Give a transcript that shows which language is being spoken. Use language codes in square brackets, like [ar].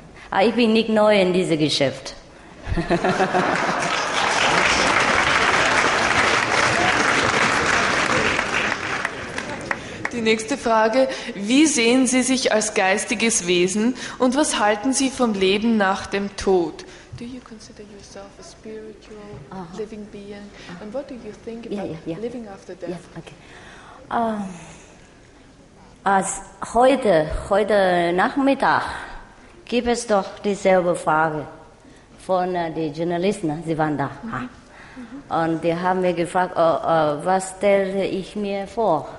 [de] Aber ich bin nicht neu in diesem Geschäft. Die nächste Frage: Wie sehen Sie sich als geistiges Wesen und was halten Sie vom Leben nach dem Tod? [en] Do you consider yourself a spiritual living being? And what do you think about living after death? Yeah, okay. [de] Als heute Nachmittag gibt es doch dieselbe Frage von den Journalisten. Sie waren da. Mm-hmm. Und die haben mir gefragt, was stelle ich mir vor?